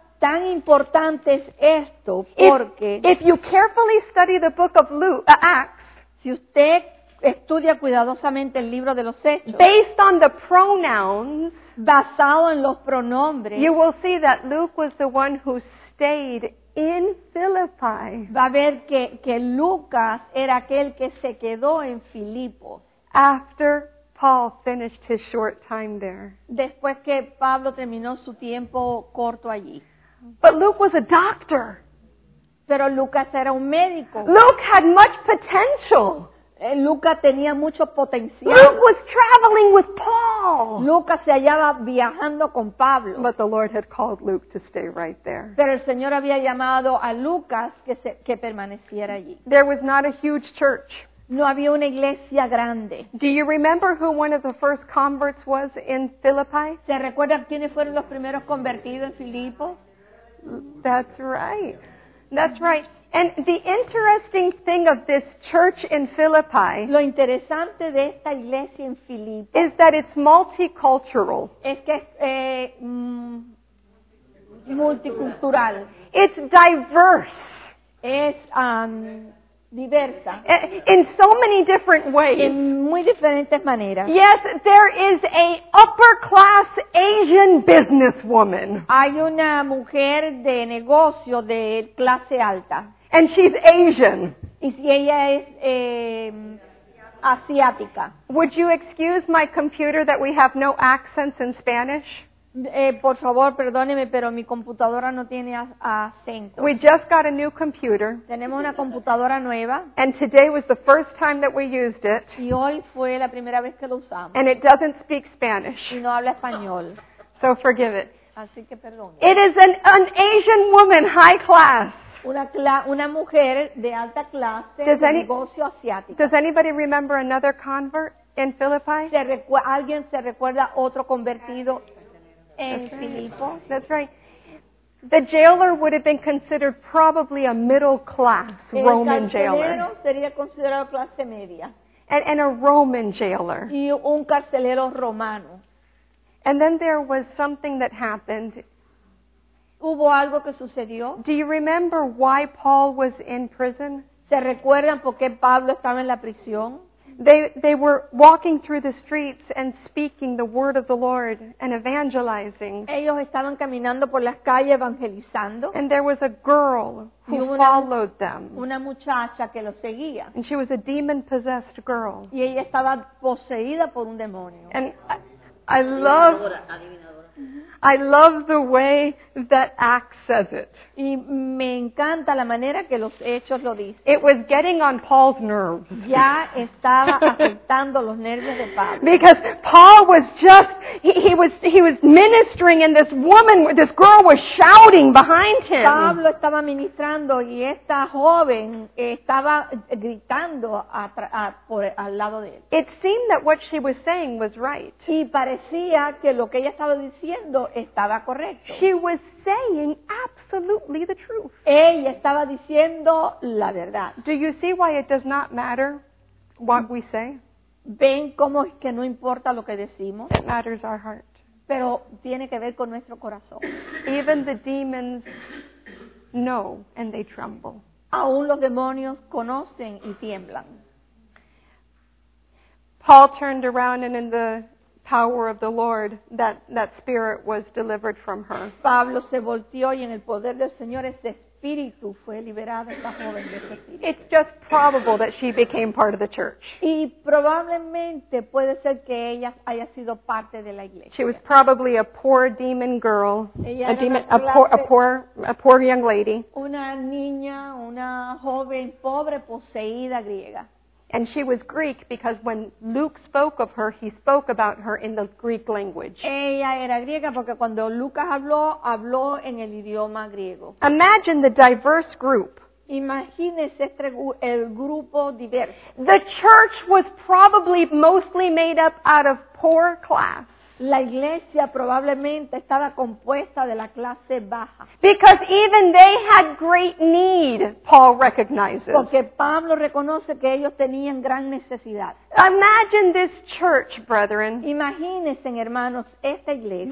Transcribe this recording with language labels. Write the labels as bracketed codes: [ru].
[es] tan importante es esto porque [en] if you carefully study the book of Luke, Acts, [es] si usted estudia cuidadosamente el libro de los Hechos, [en] based on the pronouns, [es] basado en los pronombres, [en] you will see that Luke was the one who stayed in Philippi. [es] Va a ver que Lucas era aquel que se quedó en Filipos. [en] After Paul finished his short time there. [es] Después que Pablo terminó su tiempo corto allí. [en] But Luke was a doctor. [es] Pero Lucas era un médico. [en] Luke had much potential. [es] Lucas tenía mucho potencial. [en] Luke was traveling with Paul. [es] Lucas se hallaba viajando con Pablo. [en] But the Lord had called Luke to stay right there. [es] Pero el Señor había llamado a Lucas que permaneciera allí. [en] There was not a huge church. [es] No había una iglesia grande. [en] Do you remember who one of the first converts was in Philippi? [es] ¿Se recuerdan quiénes fueron los primeros convertidos en Filipos? [en] That's right. That's right. And the interesting thing of this church in Philippi, [es] lo interesante de esta iglesia en Filipos, [en] is that it's multicultural. [es] Es que es multicultural. [en] It's diverse. [es] Es diversa. [en] In so many different ways. [es] En muy diferentes maneras. [en] Yes, there is a upper class Asian businesswoman. [es] Hay una mujer de negocio de clase alta. [en] And she's Asian. [es] Y si ella es asiática. [en] Would you excuse my computer that we have no accents in Spanish? [es] Por favor, perdóneme, pero mi computadora no tiene acento. [en] We just got a new computer. [es] Tenemos una computadora nueva. [en] And today was the first time that we used it. [es] Y hoy fue la primera vez que lo usamos. [en] And it doesn't speak Spanish. [es] Y no habla español. [en] So forgive it. [es] Así que perdón. [en] It is an Asian woman, high class. [es] Una mujer de alta clase de negocio asiático. [en] Does anybody remember another convert in Philippi? [es] ¿Alguien se recuerda otro convertido en Filipo? [en] That's right. The jailer would have been considered probably a middle class Roman jailer. [es] El carcelero sería considerado clase media. [en] And a Roman jailer. [es] Y un carcelero romano. [en] And then there was something that happened. [es] ¿Hubo algo que sucedió? [en] Do you remember why Paul was in prison? [es] ¿Se recuerdan por qué Pablo estaba en la prisión? [en] They were walking through the streets and speaking the word of the Lord and evangelizing. [es] Ellos estaban caminando por las calles evangelizando. [en] And there was a girl who followed them. [es] Una muchacha que lo seguía. [en] And she was a demon-possessed girl. [es] Y ella estaba poseída por un demonio. [en] And I love the way that Acts says it. [es] Y me encanta la manera que los Hechos lo dicen. [en] It was getting on Paul's nerves. [es] Ya estaba afectando los nervios de Pablo. [en] Because Paul was just he was ministering and this girl was shouting behind him. [es] Pablo estaba ministrando y esta joven estaba gritando al lado de él. [en] It seemed that what she was saying was right. [es] Y parecía que lo que ella estaba diciendo estaba correcto. [en] She was saying absolutely the truth. [es] Ella estaba diciendo la verdad. [en] Do you see why it does not matter what we say? [es] ¿Ven cómo es que no importa lo que decimos? [en] It matters our heart. [es] Pero tiene que ver con nuestro corazón. [en] Even the demons know and they tremble. [es] Aún los demonios conocen y tiemblan. [en] Paul turned around and in the power of the Lord, that spirit was delivered from her. [es] Pablo se volteó y en el poder del Señor ese espíritu fue liberado esta joven de ese espíritu. [en] It's just probable that she became part of the church. [es] Y probablemente puede ser que ella haya sido parte de la iglesia. [en] She was probably a poor demon girl, a poor young lady. [es] Una niña, una joven pobre poseída griega. [en] And she was Greek because when Luke spoke of her, he spoke about her in the Greek language. [es] Ella era griega porque cuando Lucas habló, habló en el idioma griego. [en] Imagine the diverse group. [es] Imagínese este el grupo diverso. [en] The church was probably mostly made up out of poor class. [es] la iglesia probablemente estaba compuesta de la clase baja. [en] Because even they had great need, Paul recognizes. [es] Porque Pablo reconoce que ellos tenían gran necesidad. [en] Imagine this church, brethren. [es] Imagínense, hermanos, esta iglesia.